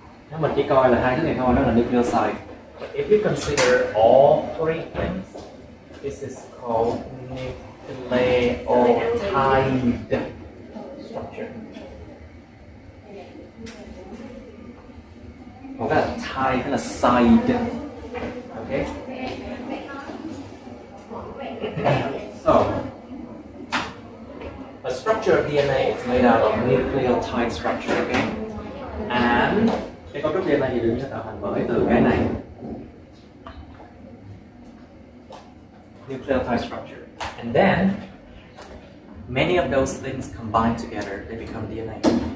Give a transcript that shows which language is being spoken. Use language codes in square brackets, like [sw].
[vi] Nếu mình chỉ coi là hai thứ này thôi, nó là nucleoside. [en] But if you consider all three things, this is called nucleotide structure. [vi] Một cái là thai, cái là side. Okay. So, [en] a structure of DNA is made out of nucleotide structure, okay? And [vi] cái cấu trúc DNA thì được tạo thành bởi từ cái này. [en] Nucleotide structure. And then, many of those things combine together, they become DNA.